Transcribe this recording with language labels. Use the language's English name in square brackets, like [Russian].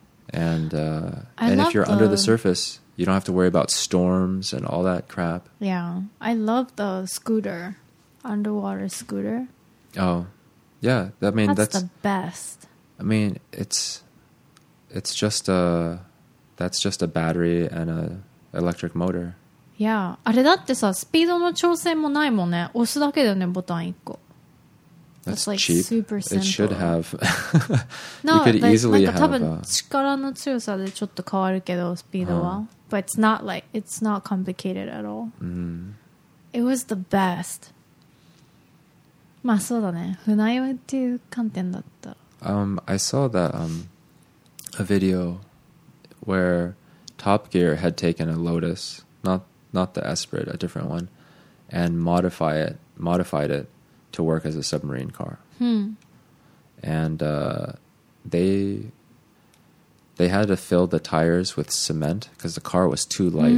[English] And if you're under the surface, you don't have to worry about storms and all that crap. Yeah. I love the scooter, underwater scooter. Oh, yeah. I mean, that's the best. I mean, it's just a... That's just a battery and an electric motor. Yeah. [Japanese] あれだってさ、スピードの調整もないもんね。押すだけだよね、ボタン一個。 [English] That's like cheap. Super simple. It should have. You could easily have. [Japanese] なんか多分力の強さでちょっと変わるけど、スピードは。 [English] But it's not like, it's not complicated at all. Mm. It was the best. [Japanese] まあそうだね。船酔いっていう観点だった。 [English] I saw that a video... where Top Gear had taken a Lotus, not the Esprit, a different one, and modified it to work as a submarine car. Hmm. And they had to fill the tires with cement because the car was too light.